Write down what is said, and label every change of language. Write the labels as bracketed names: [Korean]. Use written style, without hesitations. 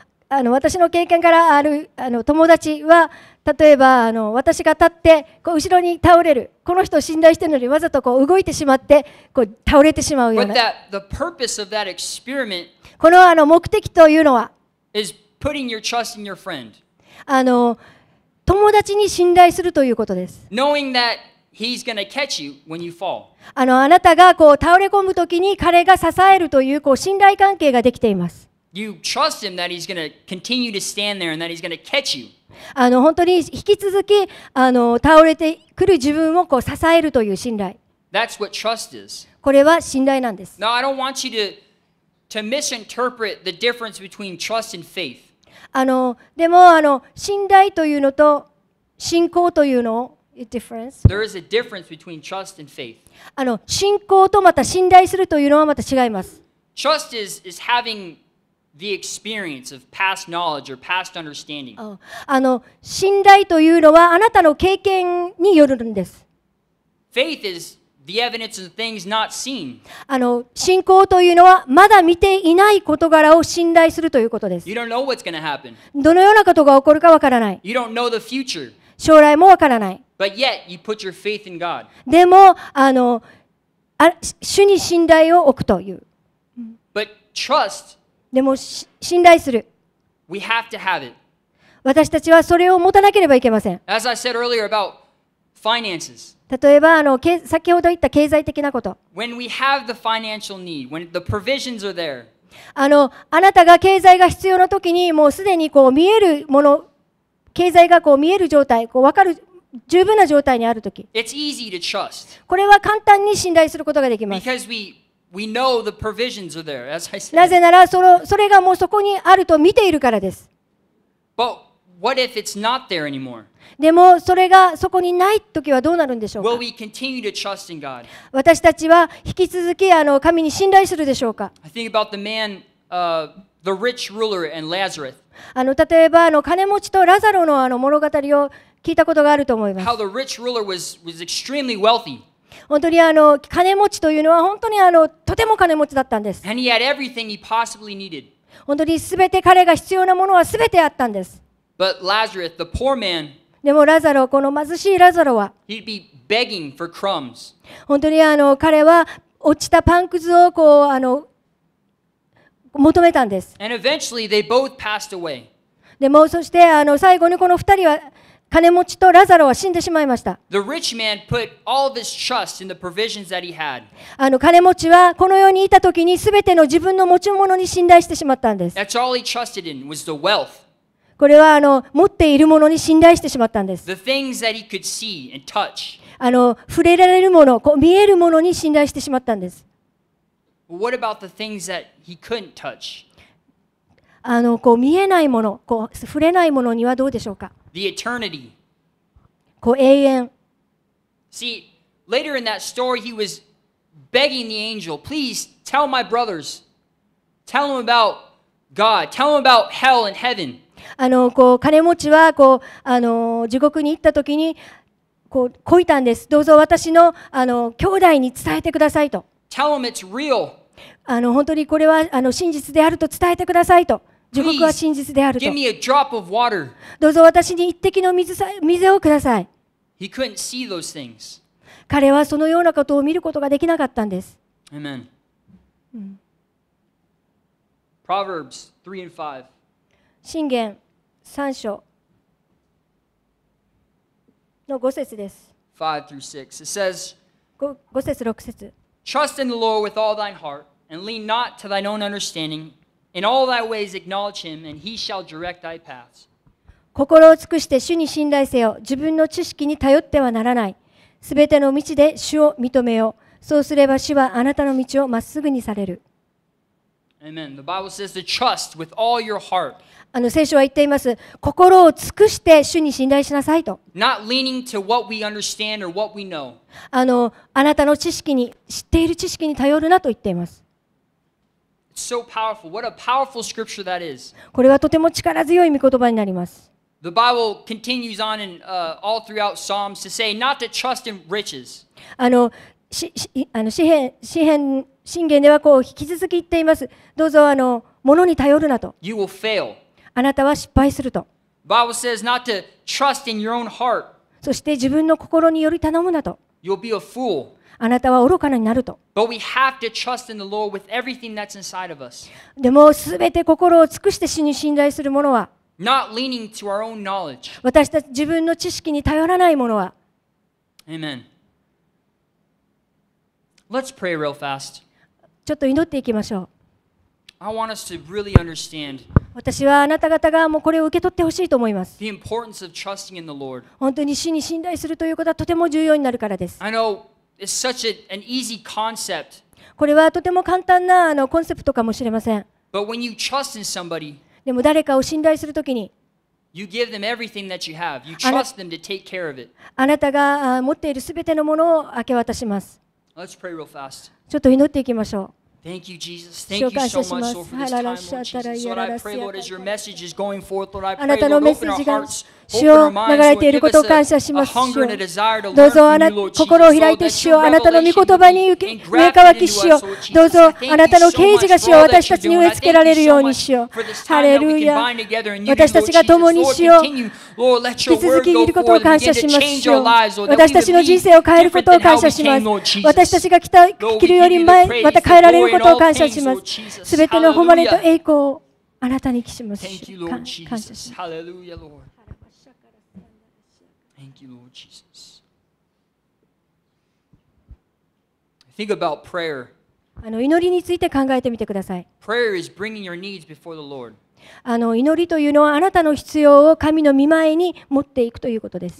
[Japanese] あの私の経験からあるあの友達は例えばあの私が立ってこう後ろに倒れるこの人を信頼しているのにわざとこう動いてしまってこう倒れてしまうような [English] that, the purpose of that experiment [Japanese] この, あの目的というのは [English] is putting your trust in your friend. [Japanese] あの友達に信頼するということです [English] Knowing that he's gonna catch you when you fall. [Japanese] あの、あなたがこう倒れ込むときに彼が支えるという、こう信頼関係ができています。 [English] You trust him that he's gonna continue to stand there and that he's gonna catch you. [Japanese] あの、本当に引き続き、あの、倒れてくる自分をこう支えるという信頼。 [English] That's what trust is. [Japanese] これは信頼なんです。 [English] Now, I don't want you to misinterpret the difference between trust and faith. [Japanese] あの、でも、あの、信頼というのと信仰というのを Difference. [English] There is a difference between trust and faith. [Japanese] あの、信仰とまた信頼するというのはまた違います。 [English] Trust is having the experience of past knowledge or past understanding. [Japanese] あの、信頼というのはあなたの経験によるんです。 [English] Faith is the evidence of things not seen. [Japanese] あの、信仰というのはまだ見ていない事柄を信頼するということです。 [English] You don't know what's going to happen. [Japanese] どのようなことが起こるかわからない。 [English] You don't know the future. [Japanese] 将来もわからない。 [English] But yet, you put your faith in God. [Japanese] でもあのあ、主に信頼を置くという。 [English] But trust, [Japanese] でも信頼する。 [English] We have to have it. [Japanese] 私たちはそれを持たなければいけません。 [English] As I said earlier about finances. [Japanese] 例えばあの、先ほど言った経済的なこと。 [English] When we have the financial need, when the provisions are there. [Japanese] あの、あなたが経済が必要な時に、もうすでにこう見えるもの、経済がこう見える状態、こう分かる十分な状態にあるとき [English] It's easy to trust. [Japanese] これは簡単に信頼することができます [English] Because we know the provisions are there, as I said. [Japanese] なぜならそれがもうそこにあると見ているからです [English] But what if it's not there anymore? [Japanese] でもそれがそこにないときはどうなるんでしょうか [English] Will we continue to trust in God? [Japanese] 私たちは引き続きあの神に信頼するでしょうか [English] I think about the man, the rich ruler and Lazarus. [Japanese] あの例えばあの金持ちとラザロのあの物語を聞いたことがあると思います。 [English] How the rich ruler was extremely wealthy. [Japanese] 本当にあの金持ちというのは本当にあのとても金持ちだったんです。 [English] And he had everything he possibly needed. [Japanese] 本当にすべて彼が必要なものはすべてあったんです。 [English] But Lazarus, the poor man, [Japanese] でもラザロこの貧しいラザロは、 [English] he'd be begging for crumbs. [Japanese] 本当にあの彼は落ちたパンくずをこうあの求めたんです。 [English] And eventually they both passed away. [Japanese] でもそしてあの最後にこの二人は金持ちとラザロは死んでしまいました。 [English] The rich man put all of his trust in the provisions that he had. [Japanese] あの金持ちはこの世にいた時に全ての自分の持ち物に信頼してしまったんです。 [English] That's all he trusted in was the wealth. [Japanese] これはあの持っているものに信頼してしまったんです。 [English] The things that he could see and touch. [Japanese] あの触れられるもの、こう見えるものに信頼してしまったんです。 [English] What about the things that he couldn't touch? [Japanese] あのこう見えないもの、こう触れないものにはどうでしょうか？ [English] The eternity. [Japanese] こう永遠。 [English] See, later in that story, he was begging the angel, please tell my brothers, tell them about God, tell them about hell and heaven. [Japanese] あのこう金持ちはこうあの地獄に行った時にこう乞いたんです。どうぞ私のあの兄弟に伝えてくださいと。 [English] Tell them it's real. [Japanese] あの本当にこれはあの真実であると伝えてくださいと。地獄は真実であると。 [English] Give me a drop of water. [Japanese] どうぞ私に一滴の水をください。 [English] He couldn't see those things. [Japanese] 彼はそのようなことを見ることができなかったんです。 [English] Amen. Proverbs 3 and 5. [Japanese] 箴言三章の五節です。 [English] 5 through 6. It says, [Japanese] 五節六節。 [English] Trust in the Lord with all thine heart, and lean not to thine own understanding. In all thy ways acknowledge him, and he shall direct thy paths. [Japanese] 心を尽くして主に信頼せよ。自分の知識に頼ってはならない。すべての道で主を認めよ。そうすれば主はあなたの道をまっすぐにされる。 [English] Amen. The Bible says to trust with all your heart. [Japanese] あの聖書は言っています。心を尽くして主に信頼しなさいと。 [English] Not leaning to what we understand or what we know. [Japanese] あの、あなたの知識に、知っている知識に頼るなと言っています。 [English] So powerful. What a powerful scripture that is. [Japanese] これはとても力強い御言葉になります。 [English] The Bible continues on in, all throughout Psalms to say not to trust in riches. [Japanese] あの、箴言ではこう引き続き言っています。どうぞあの、物に頼るなと。 [English] You will fail. [Japanese] あなたは失敗すると。 [English] Bible says not to trust in your own heart. [Japanese] そして自分の心により頼むなと。 [English] You'll be a fool. [Japanese] あなたは愚かになると。 [English] But we have to trust in the Lord with everything that's inside of us. [Japanese] でも全て心を尽くして主に信頼するものは、 [English] not leaning to our own knowledge. [Japanese] 私たち自分の知識に頼らないものは、 [English] Amen. Let's pray real fast. [Japanese] ちょっと祈っていきましょう。 [English] I want us to really、understand [Japanese] 私はあなた方がもうこれを受け取ってほしいと思います。 [English] The importance of trusting in the Lord. [Japanese] 本当に主に信頼するということはとても重要になるからです。 [English] I know it's such an easy concept. [Japanese] これはとても簡単なあのコンセプトかもしれません。 [English] But when you trust in somebody, [Japanese] でも誰かを信頼するときに、 [English] you give them everything that you have. You trust them to take care of it. [Japanese] あなたが持っているすべてのものを明け渡します。 [English] Let's pray real fast. [Japanese] ちょっと祈っていきましょう。 [English] Thank you, Jesus. Thank you so much, Lord, for this time, Lord Jesus. Lord, I pray, Lord, as your message is going forth, Lord, I pray, Lord, open our hearts, open our minds, Lord, give us a hunger and a desire to learn from you, Lord Jesus. Lord, that your revelation would be engraved into us, Lord Jesus. Thank you so much for all that you're doing. I thank you so much for this time that we can bind together in unity, Lord Jesus. Lord, continue. Lord, let your word go forth and begin to change our lives, Lord, that we would be different than how we came, Lord Jesus. Lord, we give you the praise, Lord, that we would be different than how we [Japanese] ことを感謝します。すべての誉れと栄光をあなたに期します。感謝します。ハレルヤ、ロード。あの祈りについて考えてみてください。祈りというのはあなたの必要を神の御前に持っていくということです。